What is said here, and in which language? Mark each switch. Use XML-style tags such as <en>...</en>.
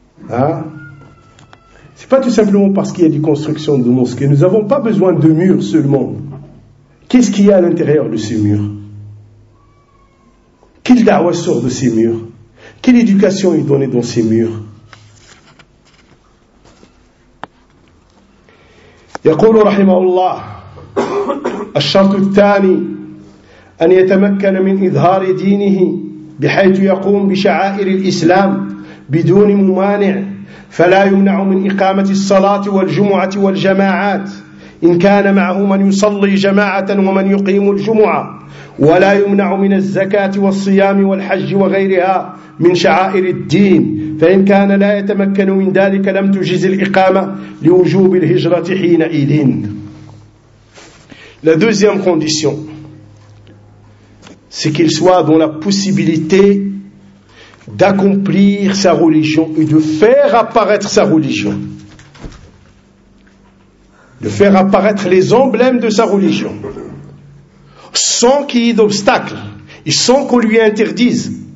<fr>Hein? C'est pas tout simplement parce qu'il y a des constructions de mosquées. Nous n'avons pas besoin de murs seulement. Qu'est-ce qu'il y a à l'intérieur de ces murs? Quelle dawa sort de ces murs? Quelle éducation est donnée dans ces murs?</fr> <ar>يقول رحمه الله الشرط الثاني أن يتمكن من إظهار دينه بحيث يقوم بشعائر الإسلام بدون ممانع فلا يمنع من إقامة الصلاة والجمعة والجماعات إن كان معه من يصلي جماعة ومن يقيم الجمعة ولا يمنع من الزكاة والصيام والحج وغيرها من شعائر الدين فإن كان لا يتمكن من ذلك لم تجز الإقامة لوجوب الهجرة حينئذ.</ar> <fr>La deuxième condition, c'est qu'il soit dans la possibilité d'accomplir sa religion et de faire apparaître sa religion. De faire apparaître les emblèmes de sa religion. Sans qu'il y ait d'obstacle et sans qu'on lui interdise.</fr>